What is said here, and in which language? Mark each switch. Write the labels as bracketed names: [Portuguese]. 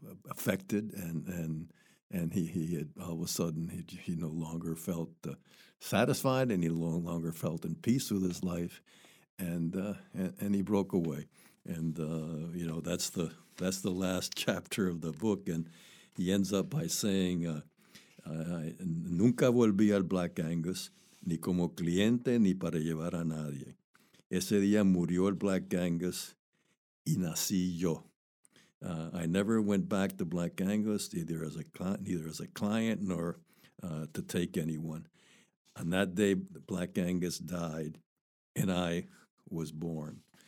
[English] affected, and he no longer felt satisfied, and he no longer felt in peace with his life, and he broke away, that's the last chapter of the book, and he ends up by saying, I [Spanish] nunca volví al Black Angus, ni como cliente ni para llevar a nadie. Ese día murió el Black Angus y nací yo. [English] I never went back to Black Angus, neither as a client nor to take anyone. On that day, Black Angus died and I was born.